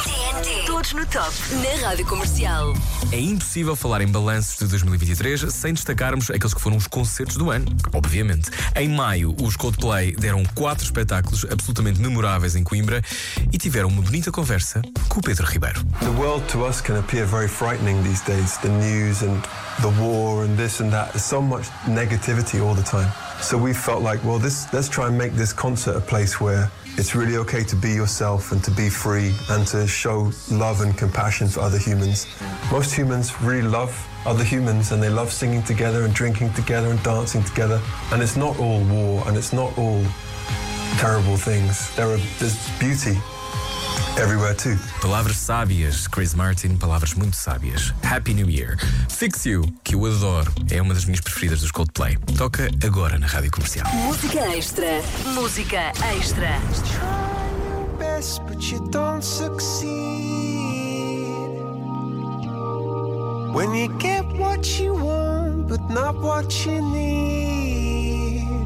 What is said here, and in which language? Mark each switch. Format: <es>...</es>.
<pt>TNT, todos no top, na Rádio Comercial. É impossível falar em balanços de 2023 sem destacarmos aqueles que foram os concertos do ano, obviamente. Em maio, os Coldplay deram 4 espetáculos absolutamente memoráveis em Coimbra e tiveram uma bonita conversa com o Pedro Ribeiro.</pt> <en>The world to us can appear very frightening these days. The news and the war and this and that. So much negativity all the time. So we felt like, well, this, let's try and make this concert a place where it's really okay to be yourself and to be free and to show love and compassion for other humans. Most humans really love other humans and they love singing together and drinking together and dancing together. And it's not all war and it's not all terrible things. There's beauty everywhere too.</en> <pt>Palavras sábias, Chris Martin, palavras muito sábias.</pt> <en>Happy New Year.</en> <pt>Fix You, que eu adoro, é uma das minhas preferidas dos Coldplay. Toca agora na Rádio Comercial. Música extra. Música extra.</pt> <en>Try your best, but you don't succeed. When you get what you want, but not what you need.</en>